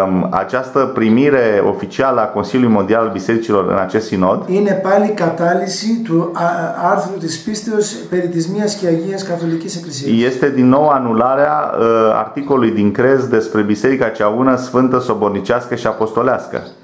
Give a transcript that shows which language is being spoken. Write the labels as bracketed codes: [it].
[ro] Această primire oficială a Consiliului Mondial al Bisericilor în acest sinod. [el] Είναι πάλι κατάλυση του άρθρου της πίστεως περί της μίας και αγίας καθολικής εκκλησίας. [ro] Este din nou anularea articolului din Crez despre Biserica cea una sfântă, sobornicească și apostolească.